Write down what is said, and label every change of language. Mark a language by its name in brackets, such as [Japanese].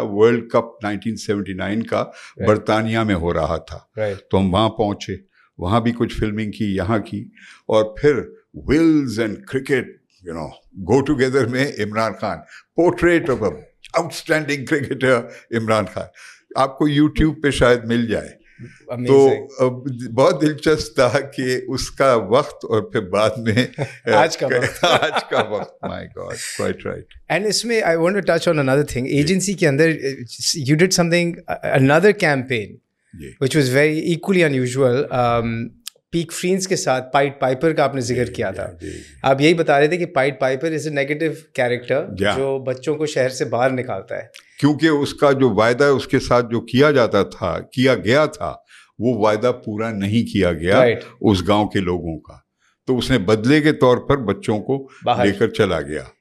[Urdu] World cup 1979 کا برطانیہ میں ہو رہا تھا، تو ہم وہاں پہنچے، وہاں بھی کچھ فلمنگ کی، یہاں کی، اور پھر Wales and cricket you know go together میں Imran Khan, portrait of a out standing cricketer Imran Khan, آپ کو یوٹیوب پہ شاید مل جائے. [English] Amazing. [Urdu] تو بہت دلچسپ تھا کہ اس کا وقت اور پھر بعد میں آج کا وقت. [English] My God, quite right. And اس میں I want to touch on another thing. Agency کے اندر you did something, another campaign which was very equally unusual. [Urdu] Pack فرینز کے ساتھ پائٹ پائپر کا آپ نے ذکر کیا تھا. آپ یہی بتا رہے تھے کہ پائٹ Piper is a negative character جو بچوں کو شہر سے باہر نکالتا ہے، کیونکہ اس کا جو وعدہ ہے اس کے ساتھ جو کیا جاتا تھا، کیا گیا تھا، وہ وعدہ پورا نہیں کیا گیا اس گاؤں کے لوگوں کا، تو اس نے بدلے کے طور پر بچوں کو باہر لے کر چلا گیا.